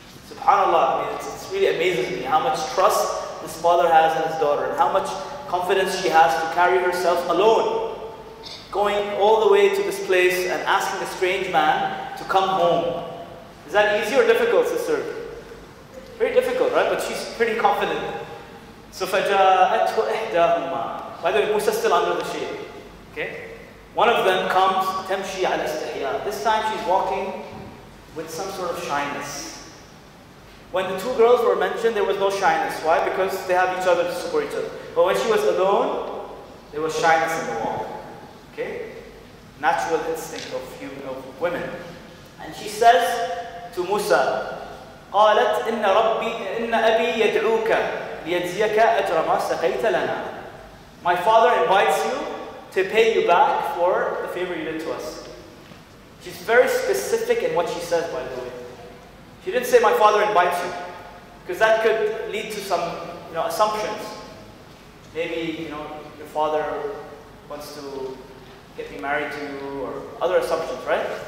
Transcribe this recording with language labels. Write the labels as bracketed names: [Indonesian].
[English] SubhanAllah, it's really amazes me how much trust this father has in his daughter and how much confidence she has to carry herself alone, going all the way to this place and asking a strange man to come home. Is that easy or difficult, sister? Very difficult, right? But she's pretty confident. [Arabic] So فَجَاءَتْهُ إِحْدَاهُمَا. [English] By the way, Musa's still under the shade, okay? One of them comes, [Arabic] تَمْشِي عَلَى اسْتِحْيَاء. [English] This time she's walking with some sort of shyness. When the two girls were mentioned, there was no shyness. Why? Because they have each other to support each other. But when she was alone, there was shyness in the wall. Okay? Natural instinct of human, of women. And she says to Musa, [Arabic] قَالَتْ إِنَّ رَبِّي إِنَّ أَبِي يَدْعُوكَ لِيَجْزِيَكَ أَجْرَ مَا سَقَيْتَ لَنَا. [English] My father invites you to pay you back for the favor you did to us. She's very specific in what she says, by the way. She didn't say, my father invites you. Because that could lead to some assumptions. Maybe your father wants to get me married to you or other assumptions, right?